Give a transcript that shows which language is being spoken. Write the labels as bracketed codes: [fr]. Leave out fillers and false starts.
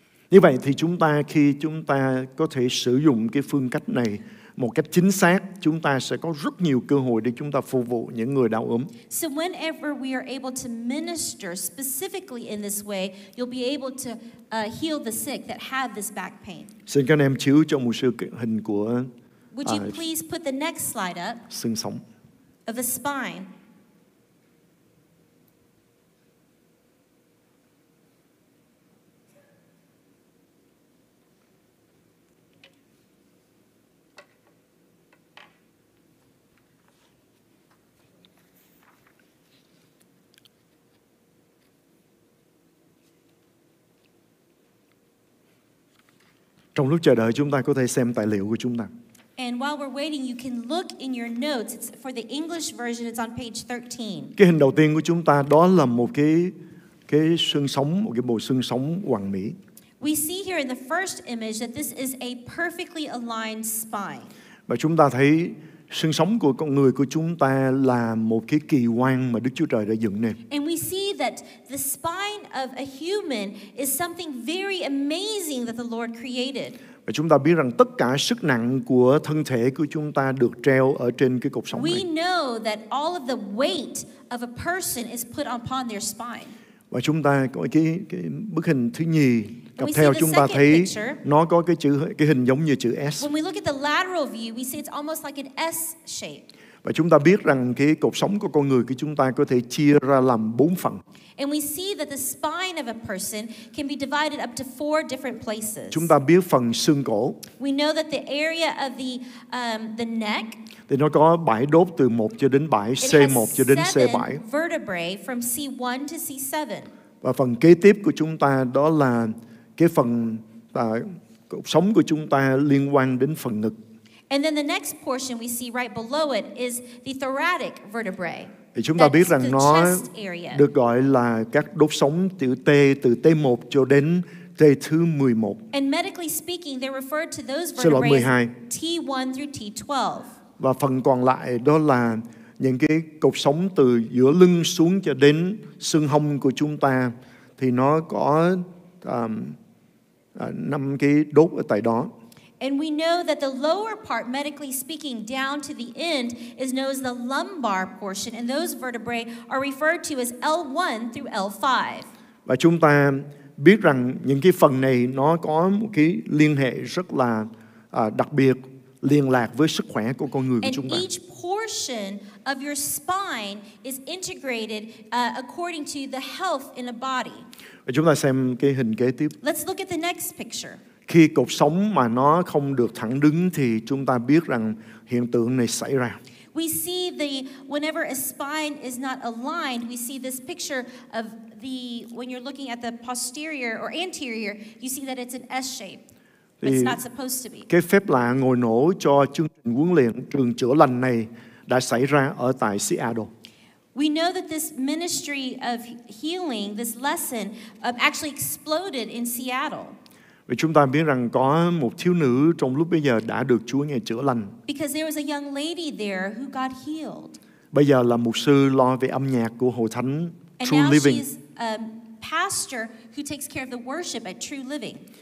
[vi] Như vậy thì chúng ta khi chúng ta có thể sử dụng cái phương cách này một cách chính xác, chúng ta sẽ có rất nhiều cơ hội để chúng ta phục vụ những người đau ốm. [en] So whenever we are able to minister specifically in this way, you'll be able to heal the sick that have this back pain. [vi] Xin các anh em chiếu cho mục sư hình của [en] Would you please put the next slide up? [vi] Xương sống. [en] Of the spine. [vi] Trong lúc chờ đợi, chúng ta có thể xem tài liệu của chúng ta. [en] And while we're waiting, you can look in your notes. It's for the English version, it's on page 13. [vi] Cái hình đầu tiên của chúng ta đó là một cái xương sống, một cái bộ xương sống hoàn mỹ. [en] We see here in the first image that this is a perfectly aligned spine. [vi] Và chúng ta thấy xương sống của con người của chúng ta là một cái kỳ quan mà Đức Chúa Trời đã dựng nên. [en] And we see that the spine of a human is something very amazing that the Lord created. [vi] Và chúng ta biết rằng tất cả sức nặng của thân thể của chúng ta được treo ở trên cái cột sống [en] we [vi] này. [en] We know that all of the weight of a person is put upon their spine. [vi] Và chúng ta có cái bức hình thứ nhì cặp theo, chúng ta thấy [en] picture, [vi] nó có cái chữ, cái hình giống như chữ S. [en] When we look at the lateral view, we see it's almost like an S shape. [vi] Và chúng ta biết rằng cái cột sống của con người của chúng ta có thể chia ra làm 4 phần. [en] And we see that the spine of a person can be divided up to 4 different places. [vi] Chúng ta biết phần xương cổ. [en] We know that the area of the neck. [vi] Thì nó có bảy đốt từ 1 cho đến 7, C1 cho đến C7. [en] Vertebrae from C1 to C7. [vi] Và phần kế tiếp của chúng ta đó là cái phần cột sống của chúng ta liên quan đến phần ngực. [en] And then the next portion we see right below it is the thoracic vertebrae. [vi] Thì chúng ta biết rằng nó được gọi là các đốt sống từ T, từ T1 cho đến T thứ 11. [en] And medically speaking, they're referred to those vertebrae, T1 through T12. [vi] Và phần còn lại đó là những cái cột sống từ giữa lưng xuống cho đến xương hông của chúng ta, thì nó có năm cái đốt ở tại đó. [en] And we know that the lower part, medically speaking, down to the end, is known as the lumbar portion, and those vertebrae are referred to as L1 through L5. [vi] Và chúng ta biết rằng những cái phần này nó có một cái liên hệ rất là đặc biệt, liên lạc với sức khỏe của con người của chúng ta. [en] And each portion of your spine is integrated according to the health in a body. [vi] Và chúng ta xem cái hình kế tiếp. [en] Let's look at the next picture. [vi] Khi cột sống mà nó không được thẳng đứng thì chúng ta biết rằng hiện tượng này xảy ra. [en] We see the whenever a spine is not aligned, we see this picture of the when you're looking at the posterior or anterior, you see that it's an S shape. It's not supposed to be. [vi] Cái phép lạ ngồi nổ cho chương trình huấn luyện trường chữa lành này đã xảy ra ở tại Seattle. [en] We know that this ministry of healing, this lesson, actually exploded in Seattle. [vi] Vì chúng ta biết rằng có một thiếu nữ trong lúc bây giờ đã được Chúa nghe chữa lành. [en] Because there was a young lady there who got healed. [vi] Bây giờ là mục sư lo về âm nhạc của Hội Thánh True Living. [en] And now she's a pastor who takes care of the worship at True Living.